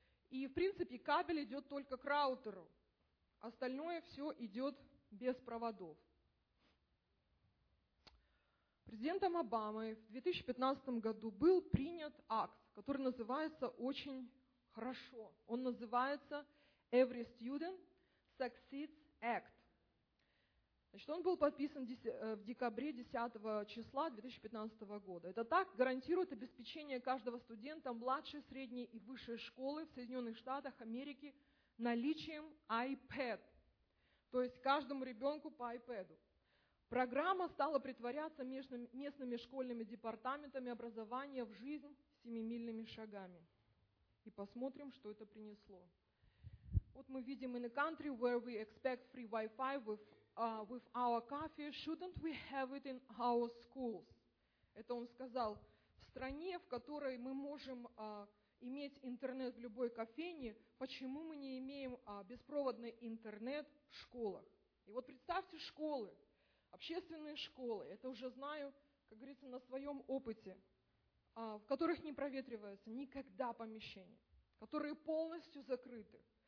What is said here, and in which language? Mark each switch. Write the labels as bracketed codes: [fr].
[ru] И, в принципе, кабель идет только к раутеру. Остальное все идет без проводов. Президентом Обамой в 2015 году был принят акт, который называется очень хорошо. Он называется Every Student Succeeds Act. Значит, он был подписан в декабре 10 числа 2015 года. Этот акт гарантирует обеспечение каждого студента младшей, средней и высшей школы в Соединенных Штатах Америки наличием iPad. То есть каждому ребенку по iPad. Программа стала притворяться местными школьными департаментами образования в жизнь семимильными шагами. И посмотрим, что это принесло. Вот мы видим [en] in a country where we expect free Wi-Fi with our coffee, shouldn't we have it in our schools? [ru] Это он сказал. В стране, в которой мы можем иметь интернет в любой кофейне, почему мы не имеем беспроводный интернет в школах? И вот представьте школы, общественные школы, это уже знаю, как говорится, на своем опыте, в которых не проветривается никогда помещение, которые полностью закрыты.